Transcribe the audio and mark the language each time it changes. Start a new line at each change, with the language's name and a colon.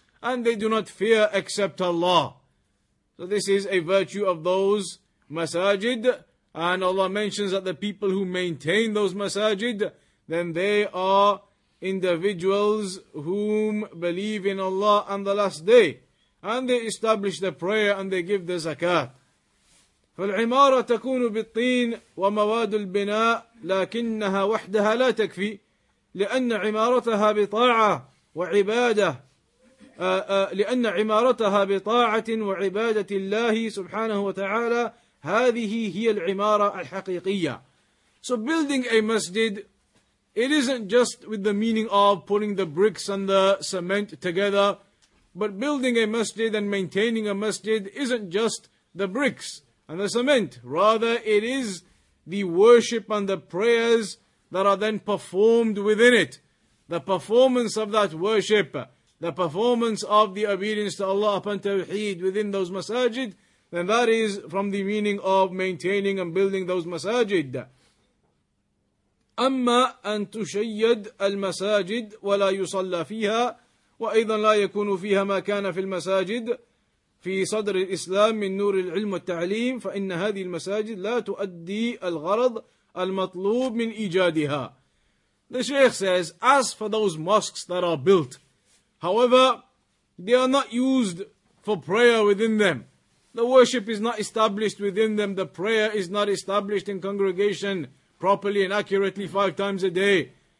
English: and they do not fear except Allah. So this is a virtue of those masajid, and Allah mentions that the people who maintain those masajid, then they are individuals whom believe in Allah and the last day, and they establish the prayer and they give the zakat.
Arabic: فالعمارة تكون بالطين ومواد البناء لكنها وحدها لا تكفي لأن عمارتها بطاعة وعبادة لأن عمارتها بطاعة وعبادة الله سبحانه وتعالى هذه هي العمارة الحقيقية.
English: So building a masjid, it isn't just with the meaning of putting the bricks and the cement together, but building a masjid and maintaining a masjid isn't just the bricks and the cement. Rather, it is the worship and the prayers that are then performed within it. The performance of that worship, the performance of the obedience to Allah upon Tawheed within those masajid, then that is from the meaning of maintaining and building those masajid.
Arabic: أما أن تشيد المساجد ولا يصلى فيها وأيضا لا يكون فيها ما كان في المساجد في صدر الإسلام من نور العلم والتعليم فإن هذه المساجد لا تؤدي الغرض المطلوب من إيجادها.
English: The Sheikh says, as for those mosques that are built, however, they are not used for prayer within them. The worship is not established within them. The prayer is not established in congregation properly and accurately 5 times a day.